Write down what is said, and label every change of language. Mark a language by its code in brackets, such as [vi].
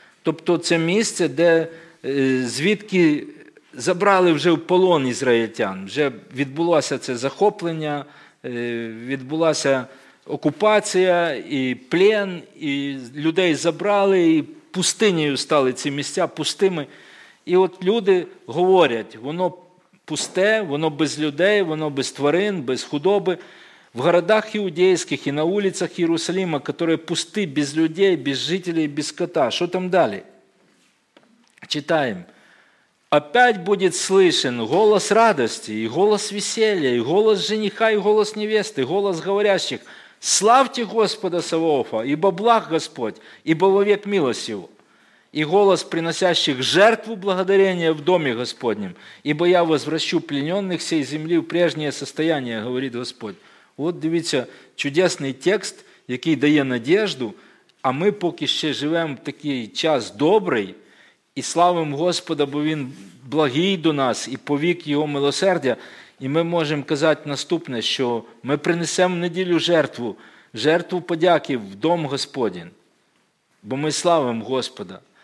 [uk] Тобто це місце, де звідки забрали вже в полон ізраїльтян, вже відбулося це захоплення, відбулася окупація і плен, і людей забрали, і пустинею стали ці місця пустими. І от люди говорять, воно пусте, воно без людей, воно без тварин, без худоби. В городах іудейських і на вулицях Єрусалима, які пусті, без людей, без жителів, без скота. Що там далі? Читаємо. [ru] Опять будет слышен голос радости, и голос веселья, и голос жениха, и голос невесты, и голос говорящих. Славьте Господа Саваофа, ибо благ Господь, ибо вовек милость Его. И голос приносящих жертву благодарения в доме Господнем, ибо я возвращу плененных сей земли в прежнее состояние, говорит Господь. [uk] Вот, дивіться, чудесный текст, який дає надежду, а ми поки ще живемо в такий час добрий, і славимо Господа, бо Він благий до нас, і повік Його милосердя. І ми можемо казати наступне, що ми принесемо в неділю жертву, жертву подяки в дом Господень, бо ми славимо Господа.